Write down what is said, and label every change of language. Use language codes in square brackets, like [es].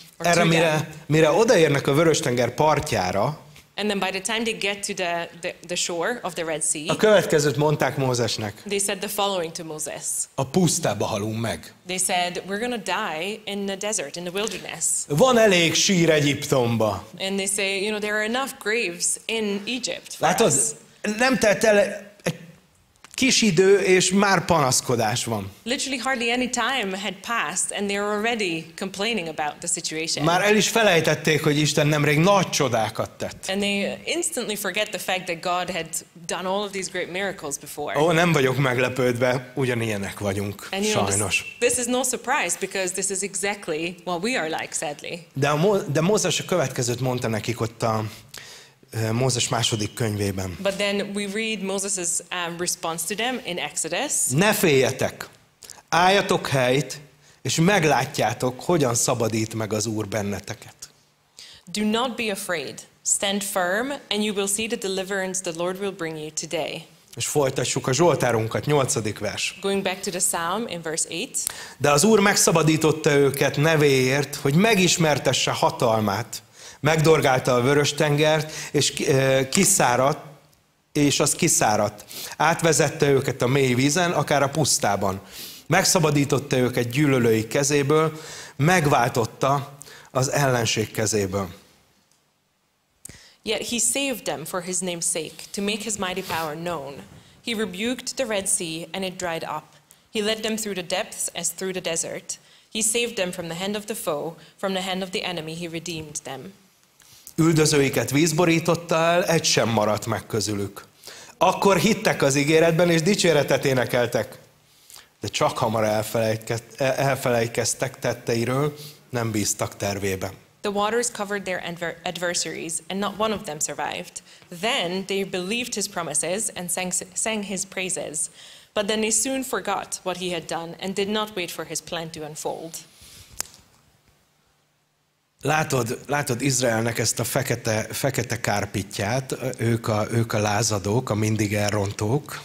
[hu] Erre mire odaérnek a Vöröstenger partjára, [en] and then by the time they get to the shore of the Red Sea, [hu] a következőt mondták Mózesnek. [en] They said the following to Moses. [hu] A pusztába halunk meg. [en] They said we're gonna die in the desert, in the wilderness. [hu] Van elég sír Egyiptomba. [en] And they say, you know, there are enough graves in Egypt. [hu] Látod, nem telt el egy kis idő és már panaszkodás van. [en] Literally hardly any time had passed and they're already complaining about the situation. [hu] Már el is felejtették, hogy Isten nemrég nagy csodákat tett. [en] And they instantly forget the fact that God had done all of these great miracles before. [hu] Ó, nem vagyok meglepődve, ugyanilyenek vagyunk, [en] and you [hu] sajnos. [en] Know, this is no surprise because this is exactly what we are like, sadly. [hu] De Mózes a következőt mondta nekik ott a Mózes második könyvében. [en] But then we read Moses's response to them in Exodus. [hu] Ne féljetek, álljatok helyt, és meglátjátok, hogyan szabadít meg az Úr benneteket. [en] Do not be afraid. Stand firm, and you will see the deliverance the Lord will bring you today. [hu] És folytassuk a Zsoltárunkat, 8. vers. [en] Going back to the Psalm in verse 8. [hu] De az Úr megszabadította őket nevéért, hogy megismertesse hatalmát. Megdorgálta a Vöröstengert, és kiszáradt, és az kiszáradt. Átvezette őket a mély vízen, akár a pusztában. Megszabadította őket gyűlölői kezéből, megváltotta az ellenség kezéből. [en] Yet he saved them for his name's sake, to make his mighty power known. He rebuked the Red Sea, and it dried up. He led them through the depths as through the desert. He saved them from the hand of the foe, from the hand of the enemy he redeemed them. [hu] Üldözőiket vízborította el, egy sem maradt meg közülük. Akkor hittek az ígéretben, és dicséretet énekeltek. De csak hamar elfelejkeztek tetteiről, nem bíztak tervébe. [en] The waters covered their adversaries, and not one of them survived. Then they believed his promises and sang his praises. But then they soon forgot what he had done, and did not wait for his plan to unfold. [hu] Látod Izraelnek ezt a fekete kárpitját, ők a lázadók, a mindig elrontók.